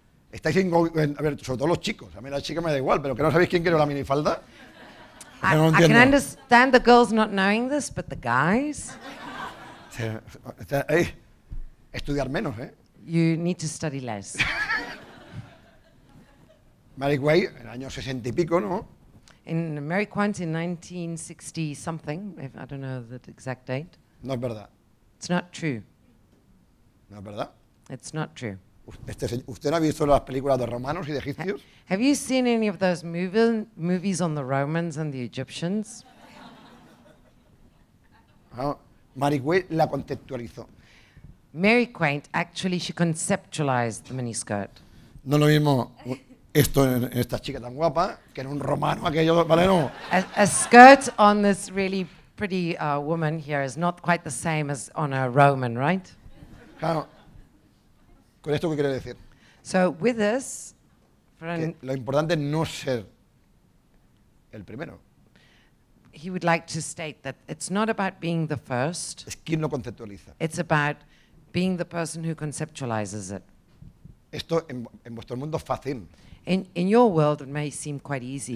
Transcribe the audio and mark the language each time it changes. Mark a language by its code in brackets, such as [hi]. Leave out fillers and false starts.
[es] Estáis a ver, sobre todo los chicos. A mí la chica me da igual, pero que no sabéis quién creó la minifalda. No [en] I can understand the girls not knowing this, but the guys. [es] Hey, estudiar menos, ¿eh? [en] You need to study less. [es] Mary Quant, en el año 60 y pico, ¿no? [en] In Mary Quant in 1960 something, if I don't know the exact date. [es] No es verdad. [en] It's not true. [es] ¿No es verdad? [en] It's not true. [es] ¿Usted no ha visto las películas de romanos y de egipcios? [en] Have you seen any of those movies on the Romans and the Egyptians? [es] Mary Quant la conceptualizó. [en] Mary Quant, actually, she conceptualized the miniskirt. [es] No lo mismo esto en esta chica tan guapa que en un romano aquello, ¿vale? No. [en] A skirt on this really pretty woman here is not quite the same as on a Roman, right? [es] Claro. ¿Con esto qué quiere decir? [en] So, with this, [es] que lo importante es no ser el primero. [en] He would like to state that it's not about being the first. [es] Es quien lo conceptualiza. [en] It's about being the person who conceptualizes it. [es] Esto en vuestro mundo es fácil. [en] In your world, it may seem quite easy.